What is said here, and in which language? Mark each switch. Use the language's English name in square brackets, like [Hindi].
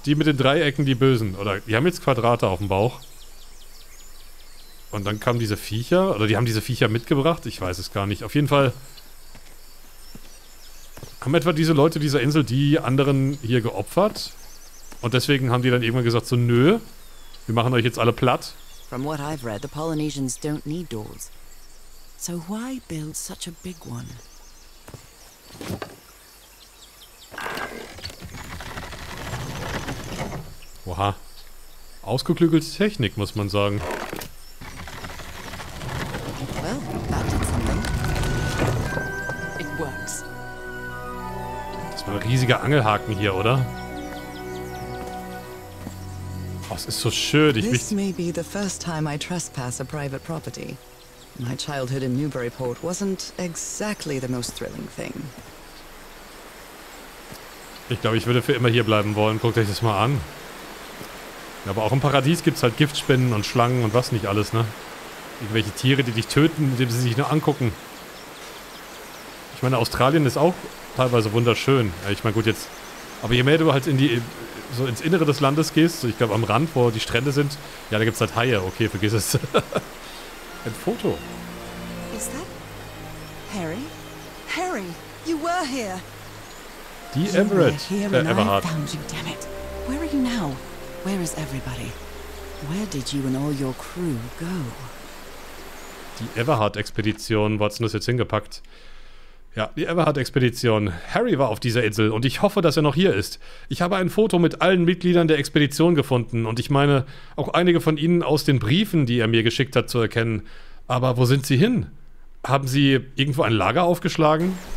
[German] Die mit den Dreiecken, die Bösen. Oder die haben jetzt Quadrate auf dem Bauch. Und dann kamen diese Viecher. Oder die haben diese Viecher mitgebracht. Ich weiß es gar nicht. Auf jeden Fall haben etwa diese Leute dieser Insel die anderen hier geopfert. Und deswegen haben die dann irgendwann gesagt so, nö, wir machen euch jetzt alle platt. [English] From what I've read, the Polynesians don't need doors. So why build such a big one? Oha. [German] Ausgeklügelte Technik, muss man sagen. [English] Well, that did something. It works. [German] Das war ein riesiger Angelhaken hier, oder? Das ist so schön. [English] This may be the first time I trespass a private property. My childhood in Newburyport wasn't exactly the most thrilling thing. [German] Ich glaube, ich würde für immer hier bleiben wollen. Guckt euch das mal an. Ja, aber auch im Paradies gibt es halt Giftspinnen und Schlangen und was nicht alles, ne? Irgendwelche Tiere, die dich töten, indem sie sich nur angucken. Ich meine, Australien ist auch teilweise wunderschön. Ja, ich meine, gut, jetzt. Aber je mehr du halt in die. So ins Innere des Landes gehst, so ich glaube am Rand, wo die Strände sind. Ja, da gibt es halt Haie. Okay, vergiss es. Ein Foto. Ist das Harry? Harry! [English] You were here. [German] Die Everett. [English] Everhard. I found you, damn it. Where are you now? Where is everybody? Where did you and all your crew go? [German] Die Everhard-Expedition. Wo hat's denn das jetzt hingepackt? Ja, die Everhard-Expedition. Harry war auf dieser Insel und ich hoffe, dass er noch hier ist. Ich habe ein Foto mit allen Mitgliedern der Expedition gefunden und ich meine, auch einige von ihnen aus den Briefen, die er mir geschickt hat, zu erkennen. Aber wo sind sie hin? Haben sie irgendwo ein Lager aufgeschlagen?